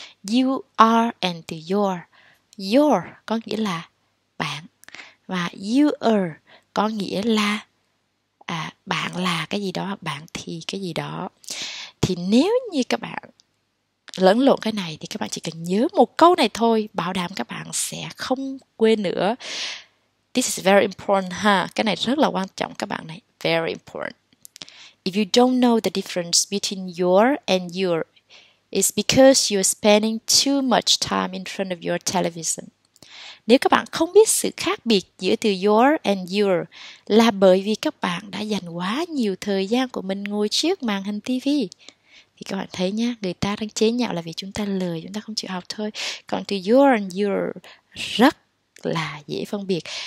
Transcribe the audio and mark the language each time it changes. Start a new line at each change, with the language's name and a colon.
Vietnamese: You are and từ your. Your có nghĩa là bạn, và you are có nghĩa là bạn là cái gì đó, bạn thì cái gì đó. Thì nếu như các bạn lẫn lộn cái này thì các bạn chỉ cần nhớ một câu này thôi, bảo đảm các bạn sẽ không quên nữa.
English: This is very important, ha? Huh?
Vietnamese: Cái này rất là quan trọng các bạn này.
English: Very important. If you don't know the difference between your and your, it's because you're spending too much time in front of your television.
Vietnamese: Nếu các bạn không biết sự khác biệt giữa từ your and your là bởi vì các bạn đã dành quá nhiều thời gian của mình ngồi trước màn hình TV. Thì các bạn thấy nha, người ta đang chế nhạo là vì chúng ta lười, chúng ta không chịu học thôi. Còn từ your and your rất là dễ phân biệt.